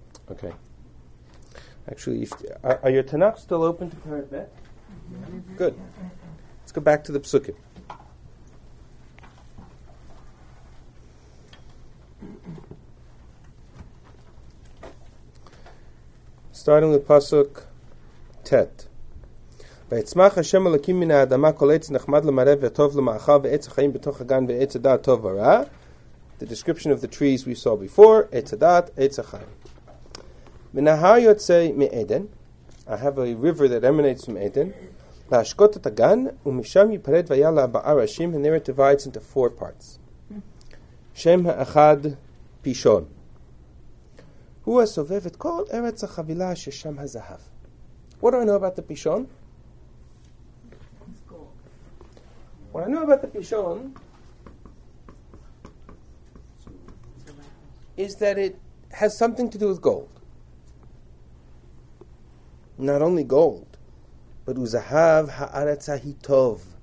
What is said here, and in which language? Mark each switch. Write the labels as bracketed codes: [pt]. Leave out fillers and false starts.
[en] Okay. Actually, are your Tanakh still open to Perek Bet? Mm-hmm. Good. Let's go back to the Psukim. Starting with Pasuk Tet. [he] ויצמח השם אלוקים מן האדמה כל עץ נחמד למראה וטוב למאכל ועץ החיים בתוך הגן ועץ הדעת טוב ורע. [en] The description of the trees we saw before, עץ הדעת, עץ החיים. [he] מן ההר יוצא מעדן, [en] I have a river that emanates from Eden, [he] להשקות את הגן ומשם יפרד ויהיה לארבעה ראשים, [en] and there it divides into four parts. [he] שם האחד פישון. הוא הסובב את כל ארץ החבילה ששם הזהב. [en] What do I know about the פישון? What I know about the Pishon is that it has something to do with gold. Not only gold, but [he] Uzahav Ha'aretz Hitov.